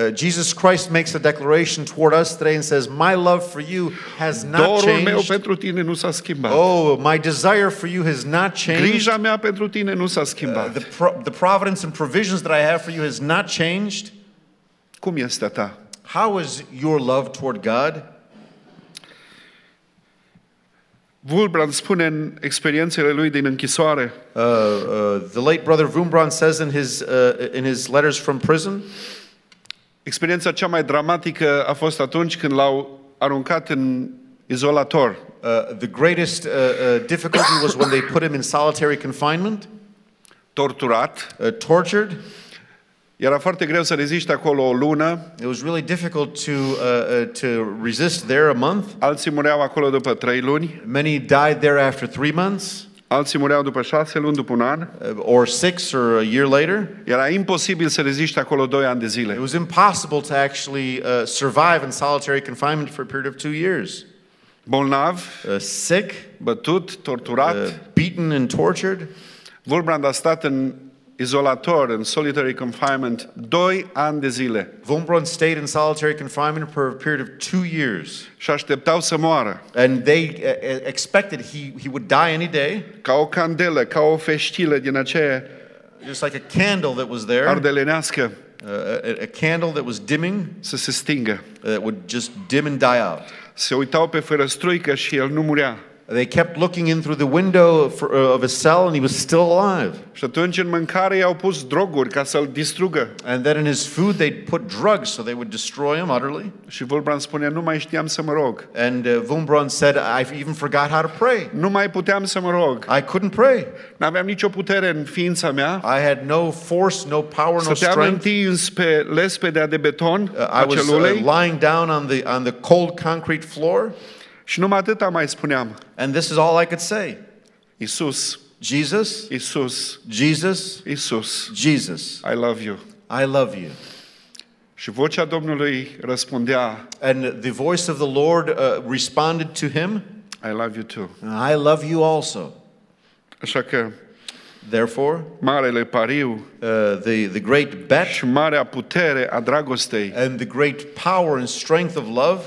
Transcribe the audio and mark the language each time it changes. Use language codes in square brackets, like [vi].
[en] Jesus Christ makes a declaration toward us today and says my love for you has not changed. [ro] Dorul meu pentru tine nu s-a schimbat. [en] Oh, my desire for you has not changed. [ro] Grija mea pentru tine nu s-a schimbat. [en] The providence and provisions that I have for you has not changed. [ro] Cum este a ta? [en] How is your love toward God? [ro] Wurmbrand spune în experiențele lui din închisoare. [en] The late brother Wurmbrand says in his letters from prison. [ro] Experiența cea mai dramatică a fost atunci când l-au aruncat în izolator. [en] The greatest difficulty was when they put him in solitary confinement. [ro] Torturat. [en] Tortured. [ro] Era foarte greu să reziști acolo o lună. [en] It was really difficult to resist there a month. [ro] Alții mureau acolo după 3 luni. [en] Many died there after 3 months. [ro] Alții mureau după 6 luni, după un an. [en] Or 6 or a year later. [ro] Era imposibil să reziști acolo 2 ani de zile. [en] It was impossible to actually survive in solitary confinement for a period of 2 years. [ro] Bolnav, [en] sick, [ro] bătut, torturat, [en] beaten and tortured. [ro] Wurmbrand a stat în izolator [en] in solitary confinement [ro] 2 ani de zile. [en] Wurmbrand stayed in solitary confinement for a period of 2 years. [ro] Și așteptau să moară. [en] And they expected he would die any day. [ro] Ca o candelă, ca o feștilă din aceea. [en] Just like a candle that was there. [ro] Ardelenească. [en] A candle that was dimming. [ro] Să se stingă. [en] That would just dim and die out. [ro] Se uitau pe ferăstruică și el nu murea. [en] They kept looking in through the window of his cell and he was still alive. [ro] Și atunci în mâncare i-au pus droguri ca să-l distrugă. [en] And then in his food they put drugs so they would destroy him utterly. [ro] Și Wurmbrand spunea, nu mai știam să mă rog. [en] And Wurmbrand said, I even forgot how to pray. [ro] Nu mai puteam să mă rog. [en] I couldn't pray. [ro] N-aveam nicio putere în ființa mea. [en] I had no force, no power, no strength. [ro] Stăteam întins pe lespedea de beton a celulei. [en] I was lying down on the cold concrete floor. [ro] Și numai atâta mai spuneam. [en] And this is all I could say. [ro] Iisus. [en] Jesus. [ro] Iisus. [en] Jesus. [ro] Iisus. [en] Jesus. I love you. I love you. [ro] Și vocea Domnului răspundea. [en] And the voice of the Lord responded to him. I love you too. I love you also. [ro] Așa că. [en] Therefore. [ro] Marele pariu. [en] The great bet. [ro] Și marea putere a dragostei. [en] And the great power and strength of love.